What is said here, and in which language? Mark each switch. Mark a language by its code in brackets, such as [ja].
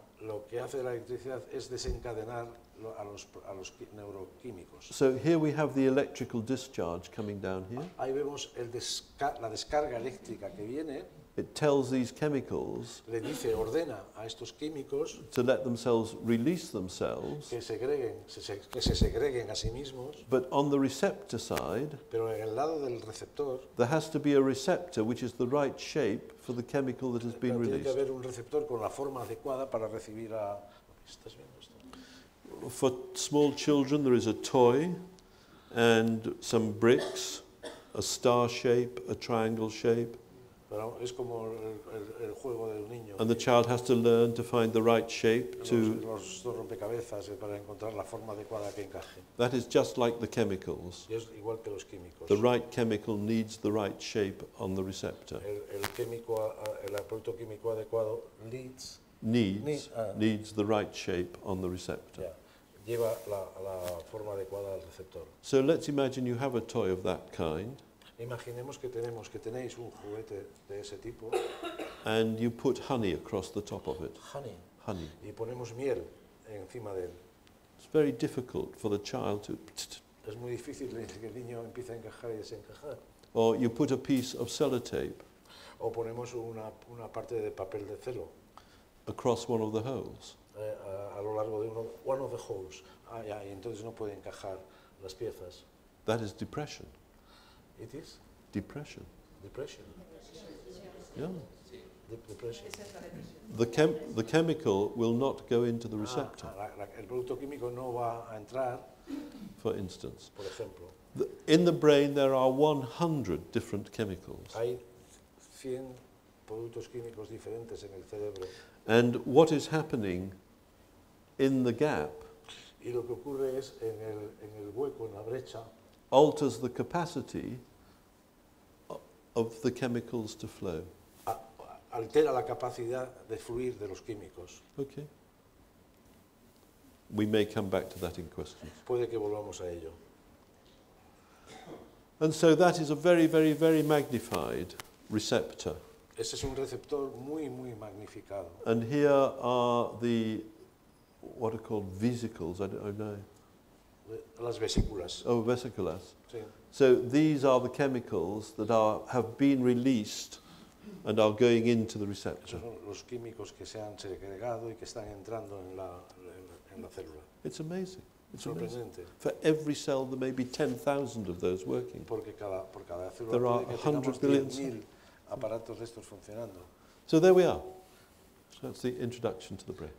[es] Lo que hace la electricidad es desencadenar a los neuroquímicos. [en] So here we have the electrical discharge coming down here. [es] Ahí vemos la descarga eléctrica que viene. [en] It tells these chemicals [es] le dice, ordena a estos químicos [en] to let themselves release themselves. [es] Que se segreguen a sí mismos. [en] But on the receptor side, [es] pero en el lado del receptor, [en] there has to be a receptor which is the right shape for the chemical that has been released. [es] Tiene que haber un receptor con la forma adecuada para recibir a. ¿Estás viendo esto? [en] For small children, there is a toy and some bricks, a star shape, a triangle shape. [es] Pero es como el juego de un niño. [en] And the child has to learn to find the right shape to. [es] Los rompecabezas para encontrar la forma adecuada que encaje. [en] That is just like the chemicals. [es] Y es igual que los químicos. [en] The right chemical needs the right shape on the receptor. [es] El producto químico adecuado [en] needs the right shape on the receptor. [es] Yeah. Lleva la forma adecuada al receptor. [en] So let's imagine you have a toy of that kind. [es] Imaginemos que tenéis un juguete de ese tipo. [en] And you put honey across the top of it. [es] Honey. Y ponemos miel encima de él. [en] It's very difficult for the child to. [es] Es muy difícil que el niño empiece a encajar y desencajar. [en] Or you put a piece of sellotape. [es] O ponemos una parte de papel de celo. [en] Across one of the holes. [es] A lo largo de [en] one of the holes. [es] Ah, yeah, y entonces no puede encajar las piezas. [en] That is depression. It is? Depression. Depression? Yeah. Depression. The chemical will not go into the receptor. [es] El producto químico no va a entrar. [en] For instance. [es] Por ejemplo. [en] In the brain there are 100 different chemicals. [es] Hay 100 productos químicos diferentes en el cerebro. [en] And what is happening in the gap? [es] Y lo que ocurre es en el hueco, en la brecha. [en] Alters the capacity of the chemicals to flow. [es] Altera la capacidad de fluir de los químicos. [en] Okay. We may come back to that in question. [es] Puede que volvamos a ello. [en] And so that is a very, very, very magnified receptor. [es] Ese es un receptor muy, muy magnificado. [en] And here are the, what are called vesicles, I don't know. [es] Las vesículas. Oh, vesículas. Sí. [en] So these are the chemicals that have been released and are going into the receptor. [es] Son los químicos que se han segregado y que están entrando en la célula. [en] It's amazing. It's [es] sorprendente. [en] Amazing. For every cell, there may be 10,000 of those working. [es] Porque por cada célula. [en] There are 100 billion [es] aparatos de estos funcionando. [en] So there we are. So that's the introduction to the brain.